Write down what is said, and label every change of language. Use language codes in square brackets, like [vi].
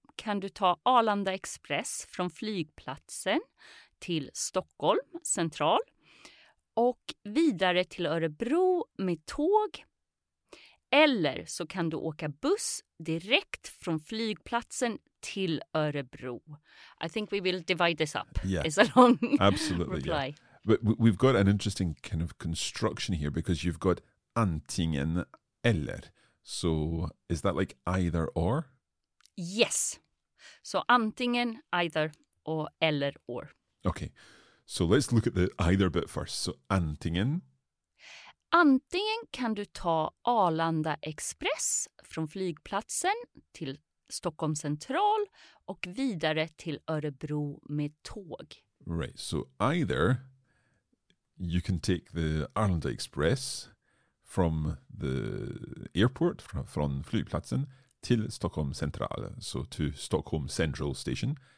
[sv] kan du ta Arlanda Express från flygplatsen till Stockholm central och vidare till Örebro med tåg. Eller så kan du åka buss direkt från flygplatsen till Örebro. [en] I think we will divide this up. Yeah. It's a long absolutely, reply. Yeah. But we've got an interesting kind of construction here because you've got antingen eller. So is that like either or? Yes. So antingen, either, or eller, or. Okay, so let's look at the either bit first. So antingen. [sv] Antingen kan du ta Arlanda Express från flygplatsen till Stockholm central och vidare till Örebro med tåg. [en] Right, so either you can take the Arlanda Express from the airport, [sv] från flygplatsen, till Stockholm central, [en] so to Stockholm central station.